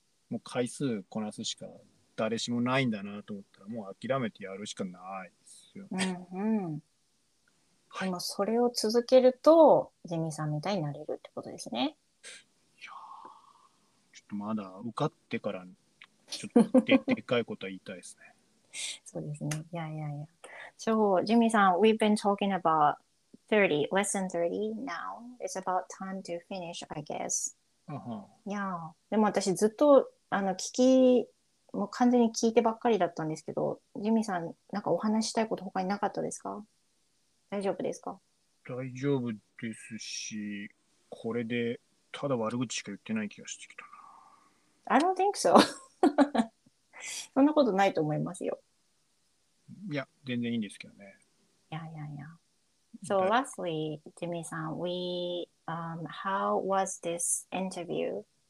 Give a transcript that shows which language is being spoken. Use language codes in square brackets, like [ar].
[ja] もう回数こなすしか誰しもないんだなと思ったらもう諦めてやるしかないですよ、うんうん、でもそれを続けると、はい、ジミーさんみたいになれるってことですね。いやちょっとまだ受かってからちょっと でかいことは言いたいですね。そうですね。いやいやいや、 [en] so, ジミーさん We've been talking about 30 lesson 30 now it's about time to finish I guess Uh-huh. [ja] いやでも私ずっとあの聞きもう完全に聞いてばっかりだったんですけど、ジミーさんなんかお話したいこと他になかったですか？大丈夫ですか？大丈夫ですし、これでただ悪口しか言ってない気がしてきたな。 [en] I don't think so. [ja] そんなことないと思いますよ。いや全然いいんですけどね。いやいやいや。 [en] So lastly, Jimmy さん we、how was this interview?